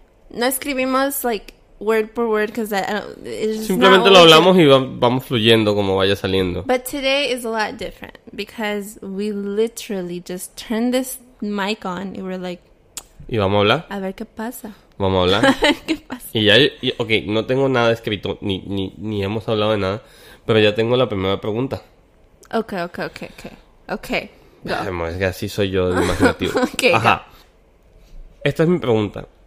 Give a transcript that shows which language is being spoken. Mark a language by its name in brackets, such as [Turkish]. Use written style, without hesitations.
[Spanish] No escribimos, [English] like, word for word, because it's just [Spanish] simplemente [English] not [Spanish] lo hablamos y vamos fluyendo como vaya saliendo. [English] But today is a lot different, because we literally just turned this mic on and we're like... [Spanish] ¿Y vamos a hablar? A ver qué pasa. ¿Vamos a hablar? A ver qué pasa. Y ya, ok, no tengo nada escrito, ni hemos hablado de nada, pero ya tengo la primera pregunta. Ok. Es que así soy yo de imaginativo. Ok, ajá. Esta es mi pregunta.